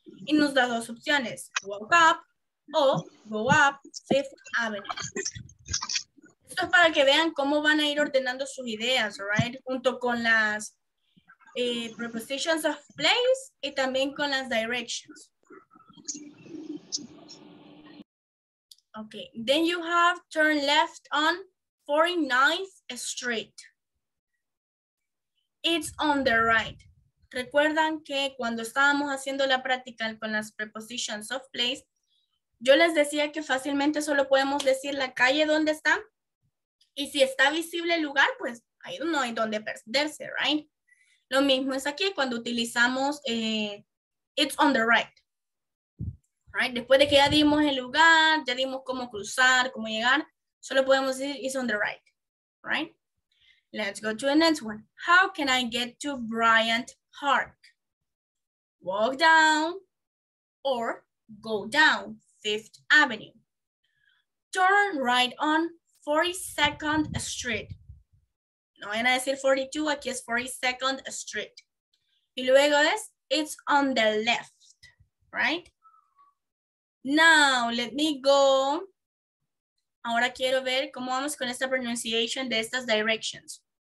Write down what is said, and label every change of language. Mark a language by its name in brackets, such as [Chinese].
[Spanish] Y nos da dos opciones, [English] walk up [Spanish] o [English] go up Fifth Avenue. [Spanish] Esto es para que vean cómo van a ir ordenando sus ideas, right? Junto con las prepositions of place y también con las directions. [English] Okay, then you have turn left on 49th Street. It's on the right. [Spanish] Recuerdan que cuando estábamos haciendo la práctica con las prepositions of place, yo les decía que fácilmente solo podemos decir la calle donde está. Y si está visible el lugar, pues ahí no hay donde perderse, right? Lo mismo es aquí cuando utilizamos [English] it's on the right. Right? [Spanish] Después de que ya dimos el lugar, ya dimos cómo cruzar, cómo llegar, solo podemos decir [English] it's on the right, right? Let's go to the next one. How can I get to Bryant Park? Walk down or go down Fifth Avenue. Turn right on 42nd Street. [Spanish] No van a decir 42, aquí es 42nd Street. Y luego es, [English] it's on the left, right? Now, let me go. [Spanish] Ahora quiero ver cómo vamos con esta pronunciation de estas directions.